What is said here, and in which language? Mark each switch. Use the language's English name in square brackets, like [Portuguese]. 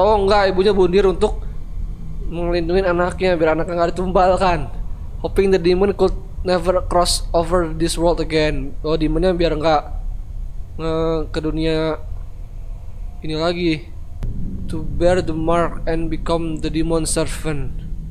[Indonesian] Oh enggak, ibunya bundir untuk melindungi anaknya biar anaknya enggak ditumbalkan. [English] Hoping the demon could never cross over this world again. [Indonesian] Oh, demonnya biar enggak ke dunia ini lagi. [English] To bear the mark and become the demon servant.